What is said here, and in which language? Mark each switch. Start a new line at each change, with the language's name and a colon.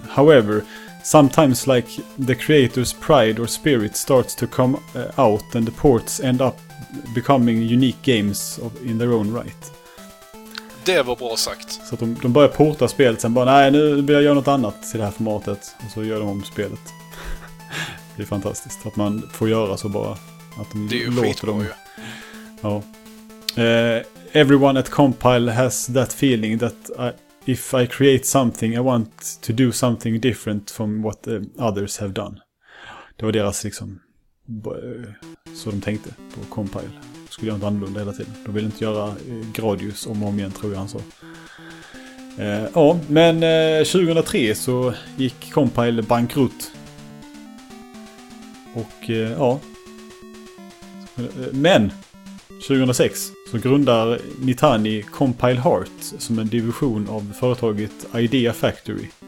English: However, sometimes like the creator's pride or spirit starts to come out and the ports end up becoming unique games in their own right."
Swedish: Det var bra sagt. Så att de börjar porta spelet, sen bara nej, nu vill jag göra något annat i det här formatet, och så gör de om spelet. Det är fantastiskt att man får göra så bara. Att de, det är ju låter dem. Ju. Ja.
English: "Everyone at Compile has that feeling that if I create something, I want to do something different from what others have done."
Swedish: Det var deras liksom, så de tänkte på Compile. Skulle göra något annorlunda hela tiden. De ville inte göra Gradius om och om igen, tror jag han sa. Ja, men 2003 så gick Compile bankrutt. Och ja. Men 2006 så grundar Nitani Compile Heart som en division av företaget Idea Factory.